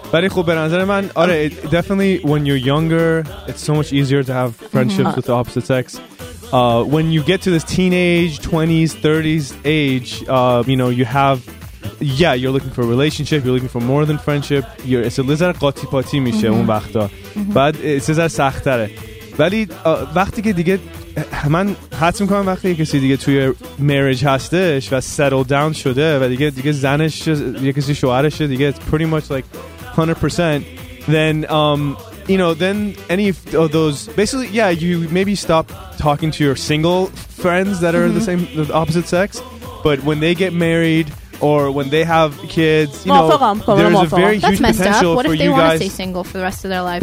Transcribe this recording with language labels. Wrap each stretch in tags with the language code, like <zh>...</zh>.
<fa>ولی خب به نظر من آره،</fa> <en>definitely when you're younger, it's so much easier to have friendships with the opposite sex. When you get to this teenage, 20s, 30s age, you know, you have, yeah, you're looking for a relationship, you're looking for more than friendship. It's a little</en> <fa>قاطی پاتی میشه اون وقتا. بعد</fa> <en>it's a little</en> <fa>سخت‌تره. ولی وقتی که دیگه من حس میکنم وقتی کسی دیگه توی مریج هستش و سیتل داون شده و دیگه زنش یا کسی شوهرشه دیگه</fa> <en>it's pretty much like 100%, then you know, then any of those, basically, yeah, you maybe stop talking to your single friends that are mm-hmm. the same, the opposite sex, but when they get married or when they have kids, you know, there's a very huge potential for you guys. What if they want to stay single for the rest of their lives?</en>